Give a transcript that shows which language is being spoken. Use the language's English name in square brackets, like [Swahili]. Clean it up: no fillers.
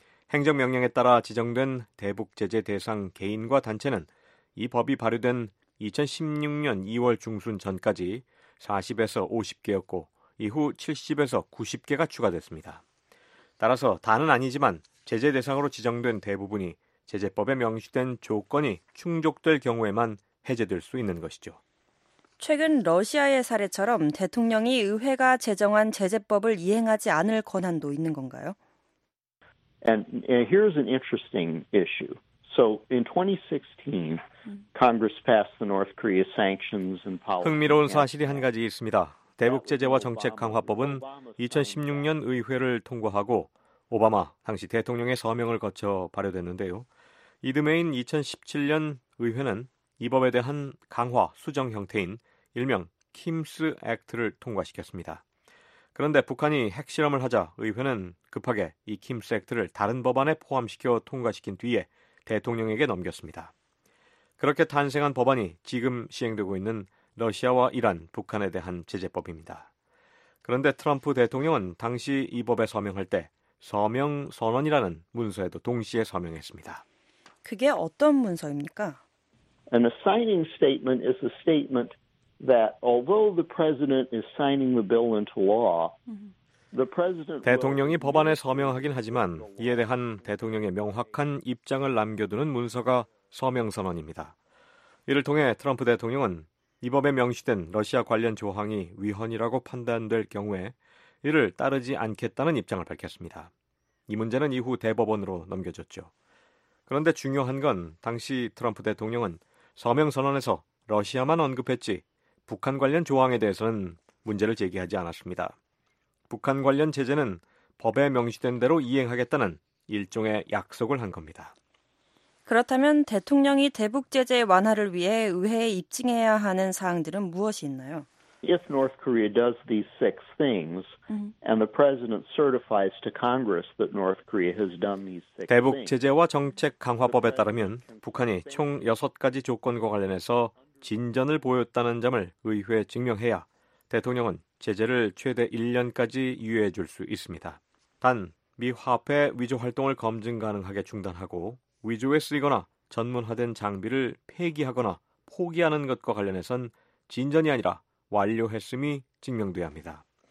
[Korean] 행정명령에 따라 지정된 대북 제재 대상 개인과 단체는 이 법이 발효된 2016년 2월 중순 전까지 40에서 50개였고 이후 70에서 90개가 추가됐습니다. 따라서 다는 아니지만 제재 대상으로 지정된 대부분이 제재법에 명시된 조건이 충족될 경우에만 해제될 수 있는 것이죠. 최근 러시아의 사례처럼 대통령이 의회가 제정한 제재법을 이행하지 않을 권한도 있는 건가요? [English] And here's an interesting issue. So in 2016, Congress passed the North Korea sanctions and policy. [Korean] 흥미로운 사실이 한 가지 있습니다. 대북 제재와 정책 강화법은 2016년 의회를 통과하고 오바마 당시 대통령의 서명을 거쳐 발효됐는데요. 이듬해인 2017년 의회는 이 법에 대한 강화 수정 형태인 일명 킴스 액트를 통과시켰습니다. 그런데 북한이 핵실험을 하자 의회는 급하게 이 킴스 액트를 다른 법안에 포함시켜 통과시킨 뒤에 대통령에게 넘겼습니다. 그렇게 탄생한 법안이 지금 시행되고 있는 러시아와 이란, 북한에 대한 제재법입니다. 그런데 트럼프 대통령은 당시 이 법에 서명할 때 서명 선언이라는 문서에도 동시에 서명했습니다. 그게 어떤 문서입니까? [English] An signing statement is a statement that although the president is signing the bill into law, the president [Korean] 대통령이 법안에 서명하긴 하지만 이에 대한 대통령의 명확한 입장을 남겨두는 문서가 서명 선언입니다. 이를 통해 트럼프 대통령은 이 법에 명시된 러시아 관련 조항이 위헌이라고 판단될 경우에 이를 따르지 않겠다는 입장을 밝혔습니다. 이 문제는 이후 대법원으로 넘겨졌죠. 그런데 중요한 건 당시 트럼프 대통령은 서명 선언에서 러시아만 언급했지 북한 관련 조항에 대해서는 문제를 제기하지 않았습니다. 북한 관련 제재는 법에 명시된 대로 이행하겠다는 일종의 약속을 한 겁니다. 그렇다면 대통령이 대북 제재 완화를 위해 의회에 입증해야 하는 사항들은 무엇이 있나요? [English] If North Korea does these six things and the president certifies to Congress that North Korea has done these six things. [Korean] 대북 제재와 정책 강화법에 따르면 북한이 총 6가지 조건과 관련해서 진전을 보였다는 점을 의회에 증명해야 대통령은 제재를 최대 1년까지 유예해 줄 수 있습니다. 단, 미 화폐 위조 활동을 검증 가능하게 중단하고 위조에 쓰이거나 전문화된 장비를 폐기하거나 포기하는 것과 관련해선 진전이 아니라 완료했음이 증명돼야 합니다.